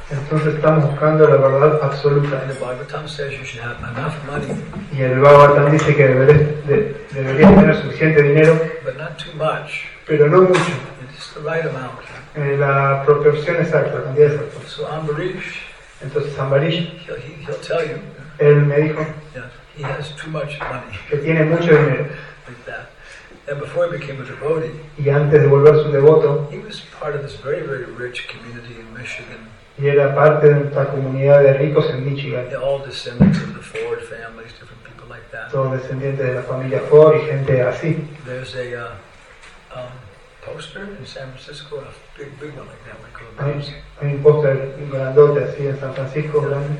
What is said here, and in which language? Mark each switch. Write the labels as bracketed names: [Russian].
[Spanish] Entonces estamos buscando la verdad absoluta. [English] And the Bhagavatam says you should have enough money. [Spanish] Y el Bhagavatam dice que deberías tener suficiente dinero. [English] But not too much. [Spanish] Pero no mucho. [English] It's the right amount. [Spanish] La proporción exacta, la cantidad exacta. [English] So Ambarish. [Spanish] Entonces Ambarish. [English] He'll tell you. [Spanish] Él me dijo. [English] Yeah, he has too much money. [Spanish] Que tiene mucho dinero. [English] And before he became a devotee, [Spanish] y antes de volverse un devoto, [English] he was part of this very, very rich community in Michigan. [Spanish] Y era parte de esta comunidad de ricos en Michigan. [English] They're all descendants of the Ford families, different people like that. [Spanish] Todos descendientes de la familia Ford y gente así. [English] There's a poster in San Francisco, a big one like that. We call it. [Spanish] Hay un póster grandote así en San Francisco, yeah, grande.